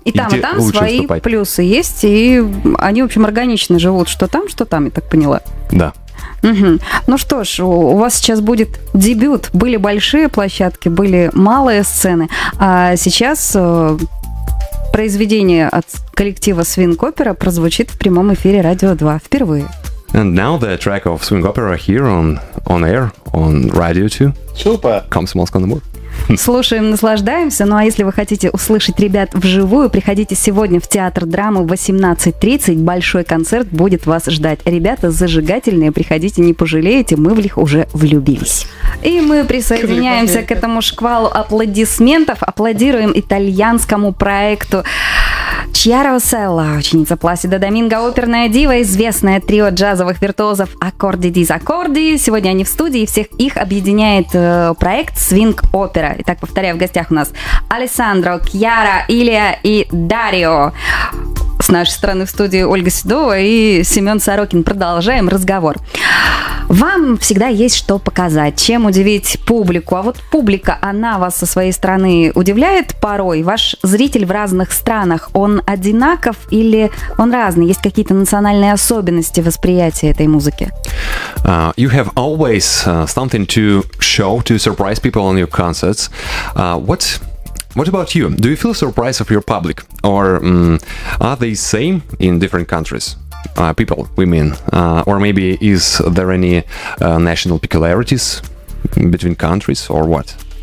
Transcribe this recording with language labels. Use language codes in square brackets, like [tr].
[ru] И там, и там свои выступать. Плюсы есть, и они, в общем, органично живут, что там, я так поняла. Да. Угу. Ну что ж, у вас сейчас будет дебют. Были большие площадки, были малые сцены, а сейчас произведение от коллектива Swing Opera прозвучит в прямом эфире Радио 2 впервые. [en] And now the track of Swing Opera here on air, on Radio 2. Super. [ru] Комсомолск на Амуре. Слушаем, наслаждаемся. Ну а если вы хотите услышать ребят вживую, приходите сегодня в Театр драмы в 18:30. Большой концерт будет вас ждать. Ребята зажигательные, приходите, не пожалеете, мы в них уже влюбились. И мы присоединяемся к этому шквалу аплодисментов. Аплодируем итальянскому проекту Chiara Rossella, ученица Пласида Доминго, оперная дива, известное трио джазовых виртуозов Accordi Disaccordi. Сегодня они в студии, всех их объединяет проект Swing Opera. Итак, повторяю, в гостях у нас Алессандро, Chiara, Илья и Дарио. С нашей стороны в студии Ольга Седова и Семен Сорокин. Продолжаем разговор. Вам всегда есть что показать, чем удивить публику. А вот публика, она вас со своей стороны удивляет порой? Ваш зритель в разных странах, он одинаков или он разный? Есть какие-то национальные особенности восприятия этой музыки? [en] You have always something to show, to surprise people on your concerts. What about you? Do you feel surprised of your public? Or are they same in different countries? People, we mean. Or maybe is there any national peculiarities between countries or what?